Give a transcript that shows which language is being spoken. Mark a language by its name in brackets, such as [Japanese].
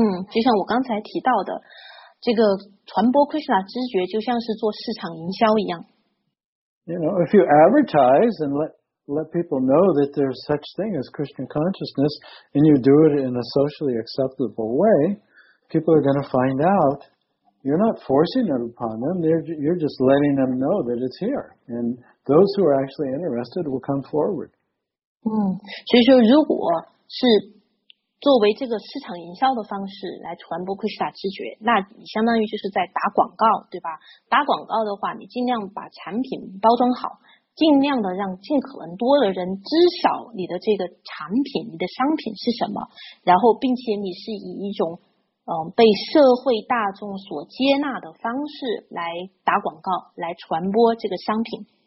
[Chinese] 就像我刚才提到的，这个传播 Krishna 知觉就像是做市场营销一样。 [English] If you advertise and let people know that there's such thing as Krishna consciousness, and you do it in a socially acceptable way, people are going to find out. You're not forcing it upon them. You're just letting them know that it's here. And those who are actually interested will come forward. [Chinese] 所以说如果是作为这个市场营销的方式来传播 Krishna 知觉，那你相当于就是在打广告，对吧？打广告的话，你尽量把产品包装好，尽量的让尽可能多的人知晓你的这个产品，你的商品是什么，然后并且你是以一种被社会大众所接纳的方式来打广告，来传播这个商品。